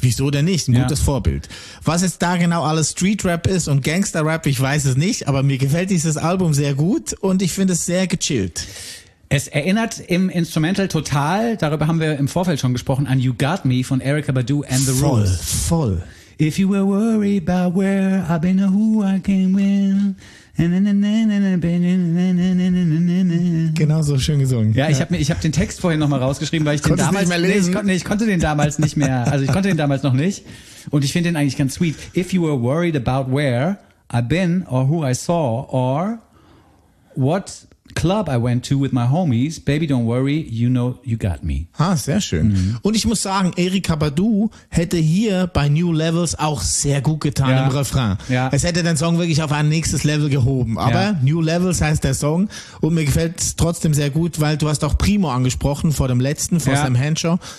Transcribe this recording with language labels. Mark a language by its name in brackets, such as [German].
[German] Wieso denn nicht? Ein gutes Vorbild. Was jetzt da genau alles Street-Rap ist und Gangster-Rap, ich weiß es nicht, aber mir gefällt dieses Album sehr gut und ich finde es sehr gechillt. Es erinnert im Instrumental total, darüber haben wir im Vorfeld schon gesprochen, an You Got Me von Erykah Badu and the Roots. Voll, voll. [English] If you were worried about where I've been or who I came with. [German] Genau so schön gesungen. Ja, ich hab den Text vorhin nochmal rausgeschrieben, weil ich den damals nicht mehr lesen. Ich konnte den damals noch nicht. Und ich finde den eigentlich ganz sweet. [English] If you were worried about where I've been or who I saw or what club I went to with my homies, baby don't worry, you know you got me. [German] Ah, sehr schön. Mhm. Und ich muss sagen, Erykah Badu hätte hier bei New Levels auch sehr gut getan im Refrain. Ja. Es hätte den Song wirklich auf ein nächstes Level gehoben. Aber New Levels heißt der Song und mir gefällt es trotzdem sehr gut, weil du hast auch Primo angesprochen vor dem letzten, vor Sam Henshaw.